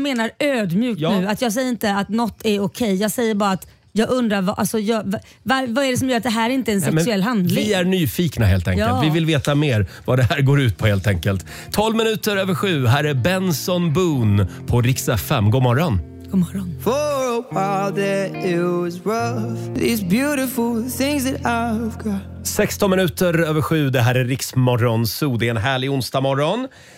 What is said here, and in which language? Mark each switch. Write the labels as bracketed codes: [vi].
[sv] menar ödmjukt nu. Att jag säger inte att något är okej. Jag säger bara att jag undrar vad är det som gör att det här inte är en sexuell handling? Vi är nyfikna helt enkelt. Ja. Vi vill veta mer vad det här går ut på helt enkelt. 7:12. Här är Benson Boone på Riksdag 5. God morgon. God morgon. [en] For a while that it was rough. These beautiful things that I've got. [sv] 7:16, det här är Riksmorgon Zoo, det är en härlig onsdagmorgon.